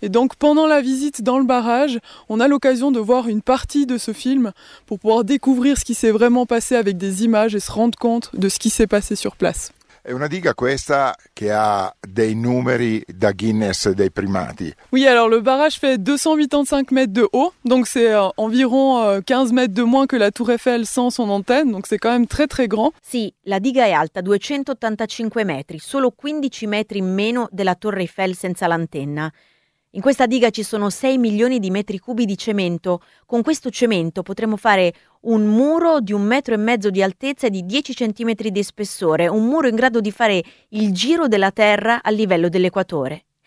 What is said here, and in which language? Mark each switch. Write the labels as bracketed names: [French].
[French] E donc pendant la visite dans le barrage, on a l'occasion de voir une partie de ce film pour pouvoir découvrir ce qui s'est vraiment passé avec des images et se rendre compte de ce qui s'est passé sur place. [Italian] È una diga questa che ha dei numeri da Guinness dei primati. [French] Oui, alors le barrage fait 285 mètres de haut, donc c'est environ 15 mètres de moins que la Tour Eiffel sans son antenne, donc c'est quand même très très grand. [Italian] Sì, la diga è alta 285 metri, solo 15 metri in meno della Torre Eiffel senza l'antenna. In questa diga ci sono 6 milioni di metri cubi di cemento. Con questo cemento potremmo fare un muro di un metro e mezzo di altezza e di 10 centimetri di spessore, un muro in grado di fare il giro della Terra a livello dell'equatore.